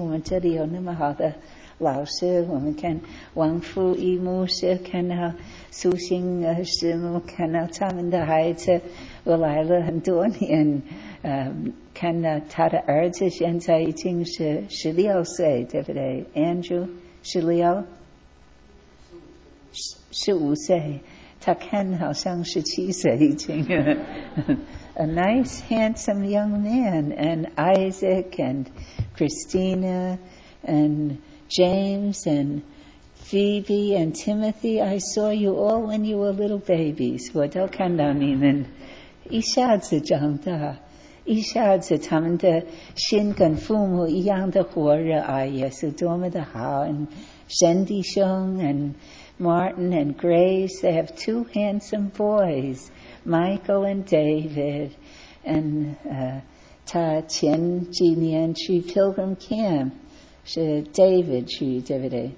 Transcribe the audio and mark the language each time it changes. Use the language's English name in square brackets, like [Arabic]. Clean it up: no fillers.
[Chinese] 我们这里有那么好的老师，我们看王富义牧师，看到苏欣师母，看到他们的孩子，我来了很多年，看到他的儿子现在已经是16岁，对不对 ？Andrew 16，15岁，他看好像17岁已经。 [English] A nice, handsome young man, and Isaac and Christina and James and Phoebe and Timothy, I saw you all when you were little babies. [Chinese] 我都看到你们。一下子长大，一下子他们的心跟父母一样的火热，哎呀，是多么的好！ [English] And Shendi Shung and Martin and Grace, they have two handsome boys, Michael and David. [Chinese] And 他前几年去 Pilgrim Camp, 是 David 去，对不对？